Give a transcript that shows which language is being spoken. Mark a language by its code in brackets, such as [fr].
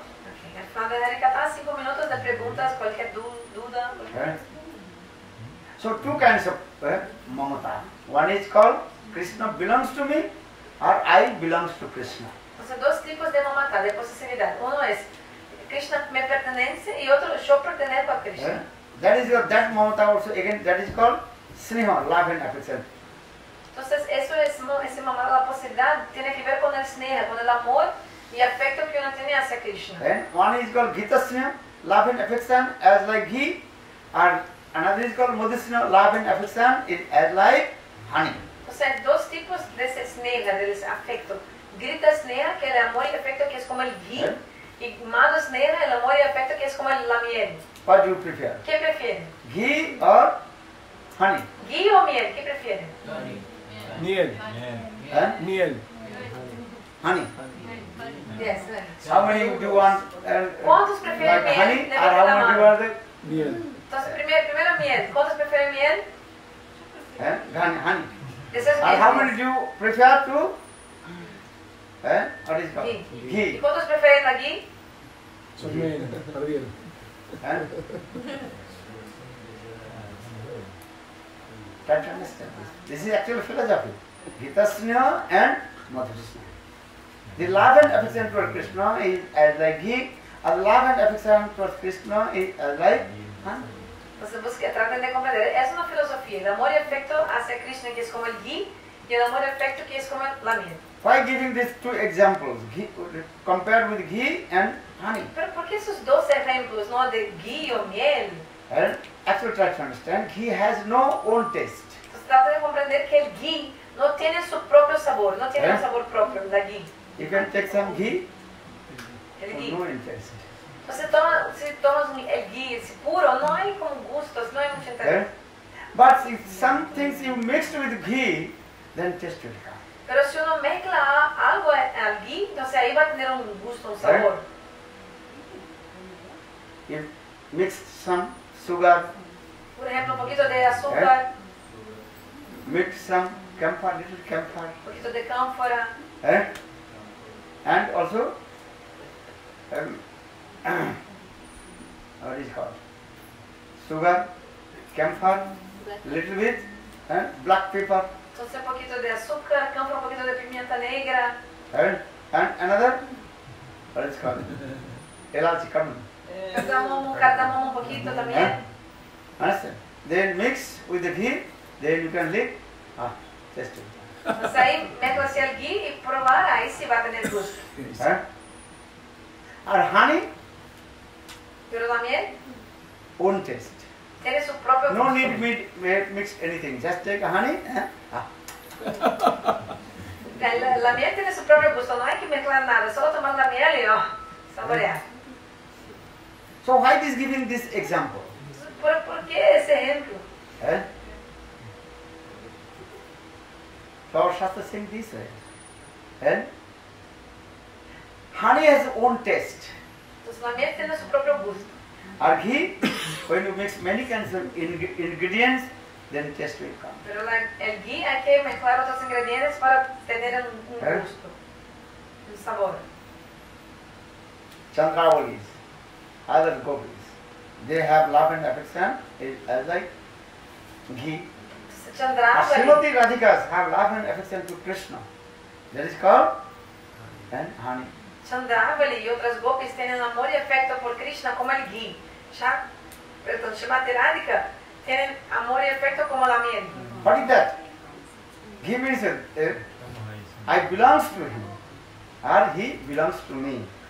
[es] Okay. Al final de Harikatha, 5 minutos de preguntas, cualquier duda. Cualquier... [en] So, two kinds of mamata. One is called Krishna belongs to me, or I belongs to Krishna. [es] Entonces, dos tipos de mamata, de posesividad. Uno es Krishna me pertenece y otro yo pertenezco a Krishna. [en] That is your that mamata also again that is called sneha, love and affection. [es] Entonces eso es ese mamata la posesividad tiene que ver con el sneha, con el amor y afecto que uno tiene hacia Krishna. [en] One is called ghita sneha, love and affection as like ghee, and another is called madhu sneha, love and affection is as like honey. [es] O sea, dos tipos de ese sneha, de ese afecto. Grita sneha, que el amor y afecto, que es como el ghee. Y madhu sneha, el amor y afecto, que es como la miel. [en] What do you prefer? [es] ¿Qué prefiere? [en] Ghee or honey? [es] Ghee o miel, ¿qué prefiere? [en] Honey. [es] Miel. Miel. [en] Honey. Yes. How many do you want? [es] ¿Cuántos prefieren miel? [en] Honey, or how many do you want? [es] Miel. Entonces, primero miel. ¿Cuántos prefieren miel? [en] Honey. And how many do you prefer to? What is called? [es] Ghee. ¿Y cuántos prefieren aquí? Son miel, perdieron. [en] Can't understand this. This is actual philosophy. Gita sneha and madhu sneha. The love and affection towards Krishna is as like ghee, and love and affection towards Krishna is as like [es] Entonces, busque, traten de comprender. Es una filosofía. El amor y afecto hacia Krishna, que es como el ghee, y el amor y afecto, que es como la miel. [en] Why giving these two examples, ghee, compared with ghee and honey? [es] Pero, ¿por qué esos dos ejemplos, no, de ghee o miel? [en] Actually, try to understand. Ghee has no own taste. [es] Entonces, traten de comprender que el ghee no tiene su propio sabor, no tiene el sabor propio, el ghee. [en] You can take some ghee? [es] El ghee. No interés. Entonces, si tomas el ghee, es puro, no hay con gustos, no hay mucho interés. [en] But if some things you mixed with ghee, then taste will come. [es] Pero si uno mezcla algo al ghee, entonces ahí va a tener un gusto, un sabor. [en] If mixed some sugar. [es] Por ejemplo, un poquito de azúcar. [en] Yeah? Mix some camphor, little camphor. [es] Un poquito de camphora. [en] Yeah? And also, what is it called? Sugar, camphor. Little bit, black pepper. [es] Entonces un poquito de azúcar, campo, un poquito de pimienta negra. [en] And another, what is called? Elachi, cardamomo. [es] Cardamomo, un poquito también. [en] Understand? Then mix with the ghee, then you can lick. Ah, taste it. [es] Entonces ahí mezcla el ghee y probar, ahí sí va a tener gusto. [en] Or honey? [es] Pero la miel? [en] Un taste. [es] Tiene su propio gusto. [en] No need mix anything, just take a honey. [es] La miel tiene su propio gusto, no hay que mezclar nada, solo tomar la miel y saborear. [en] So why is giving this example? [es] ¿Por qué ese ejemplo? [en] Flower Shastra sing this way. Honey has own taste. [es] Entonces la miel tiene su propio gusto. [en] Or ghee, when you mix many kinds of ingredients, then taste will come. [es] Pero el ghee hay que mezclar otros ingredientes para tener un gusto, un sabor. [en] Chandravalis, other gopis, they have love and affection, as like ghee. Chandravalis. Srimati Radhikas have love and affection to Krishna. That is called and honey. [es] Chandravali y otras gopis tienen amor y afecto por Krishna como el ghee. Shrimati Radhika tienen amor y afecto como la miel. [en] What is that? Ghee means I belong to him or he belongs to me.